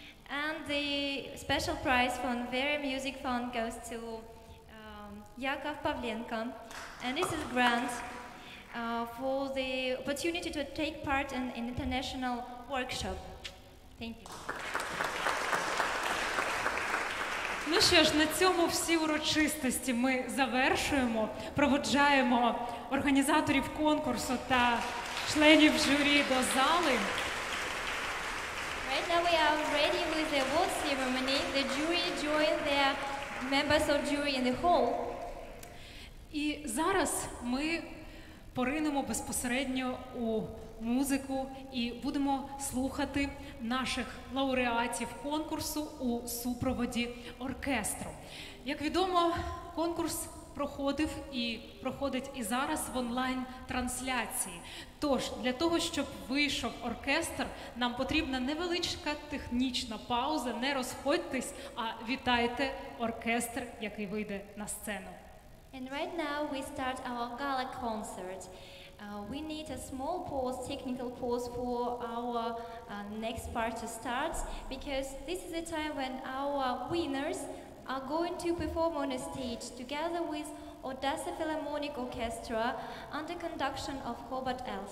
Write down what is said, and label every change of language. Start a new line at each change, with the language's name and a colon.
English: And the special prize from Vera Music Fund goes to Jakow Pavlenko, and this is a grant for the opportunity to take part in an international workshop. Thank you.
Ukrainian: Ну що ж, на цьому всі урочистості ми завершуємо, проводжаємо організаторів конкурсу та членів журі до зали.
English: Right now we are ready with the award ceremony. The jury joined the members of jury in the hall.
Ukrainian: І зараз ми поринемо безпосередньо у музику і будемо слухати наших лауреатів конкурсу у супроводі оркестру. Як відомо, конкурс проходив і проходить і зараз в онлайн-трансляції. Тож, для того, щоб вийшов оркестр, нам потрібна невеличка технічна пауза. Не розходьтесь, а вітайте оркестр, який вийде на сцену.
English: And right now we start our gala concert. We need a small pause, technical pause for our next part to start, because this is the time when our winners are going to perform on a stage together with Odessa Philharmonic Orchestra under conduction of Hobart L.